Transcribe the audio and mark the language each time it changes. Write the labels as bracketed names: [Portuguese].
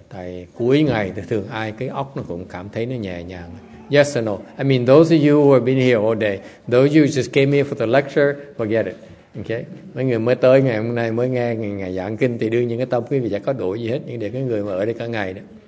[Vietnamese] Tại cuối ngày thì thường ai cái óc nó cũng cảm thấy nó nhẹ nhàng. [English] Yes or no? I mean, those of you who have been here all day, those of you who just came here for the lecture, forget it. Okay. [Vietnamese] Mấy người mới tới ngày hôm nay mới nghe ngày giảng kinh thì đương nhiên cái tâm quý vị chả có đổi gì hết, nhưng để cái người mà ở đây cả ngày đó,